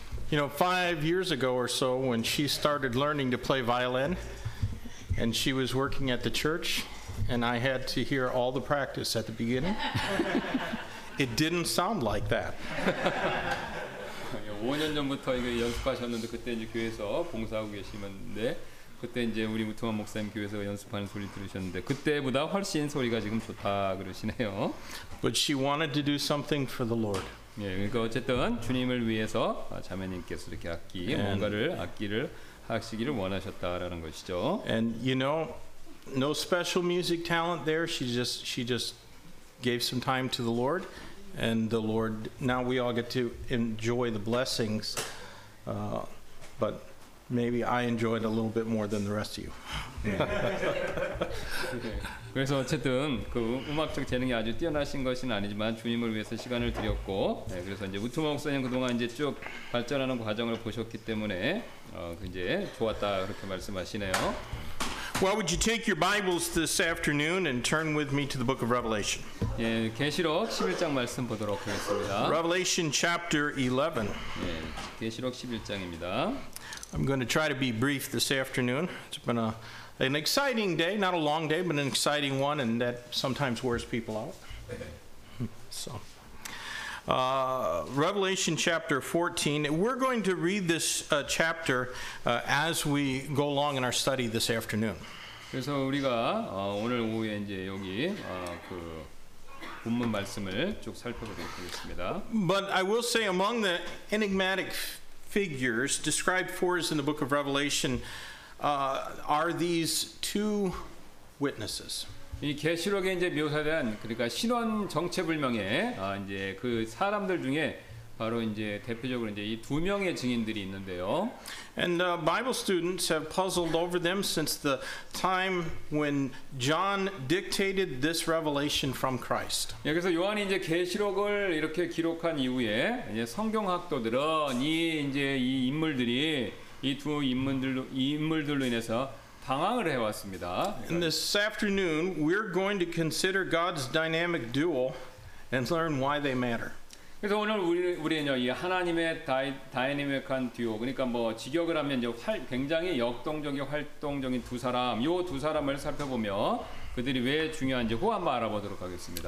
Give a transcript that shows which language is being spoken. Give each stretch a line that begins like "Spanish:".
English: You know, 5 years ago or so, when she started learning to play violin, and she was working at the church, and I had to hear all the practice at the beginning, it didn't sound like that.
Korean: 5년 전부터 이게 연습하셨는데 그때 이제 교회에서 봉사하고 계시는데 그때 이제 우리 무토만 목사님 교회에서 연습하는 소리 들으셨는데 그때보다 훨씬 소리가 지금 좋다 그러시네요.
English: But she wanted to do something for the Lord.
Korean: 예, 그러니까 어쨌든 주님을 위해서 자매님께서 이렇게 악기 뭔가를 악기를 하시기를 원하셨다라는 것이죠.
English: And you know, no special music talent there. She just gave some time to the Lord. And the Lord, now we all get to enjoy the blessings, but maybe I enjoyed a little bit more than the rest of you.
Korean: 그래서 어쨌든 그 음악적 재능이 아주 뛰어나신 것은 아니지만 주님을 위해서 시간을 드렸고 네, 그래서 이제 우투 목사님 그동안 이제 쭉 발전하는 과정을 보셨기 때문에 이제 좋았다 그렇게 말씀하시네요.
English: Well, would you take your Bibles this afternoon and turn with me to the book of Revelation?
Korean: 예, 계시록 11장 말씀 보도록 하겠습니다.
English: Revelation chapter 11.
Korean: 예, 계시록 11장입니다.
English: I'm going to try to be brief this afternoon. It's been an exciting day, not a long day, but an exciting one, and that sometimes wears people out. So, Revelation chapter 14. We're going to read this chapter as we go along in our study this afternoon.
Korean: 그래서 우리가 오늘 오후에 이제 여기 그 본문 말씀을 쭉 살펴보도록 하겠습니다.
English: But I will say, among the enigmatic figures described for us in the book of Revelation, are these two witnesses.
Korean: 이 계시록에 이제 묘사된 그러니까 신원 정체불명의 이제 그 사람들 중에 바로 이제 대표적으로 이제 이 두 명의 증인들이 있는데요.
English: And Bible students have puzzled over them since the time when John dictated this revelation from Christ.
Korean: 예, 그래서 요한이 이제 계시록을 이렇게 기록한 이후에 이제 성경학도들은 이제 이 인물들이 이 두 인물들로 인해서 방황을 해 왔습니다.
English: This afternoon we're going to consider God's dynamic duo and learn why they matter.
Korean: 그래서 오늘 우리는요 이 하나님의 다이내믹한 듀오 그러니까 뭐 직역을 하면 이제 굉장히 역동적이 활동적인 두 사람 요 두 사람을 살펴보며 그들이 왜 중요한지 그거 한번 알아보도록 하겠습니다.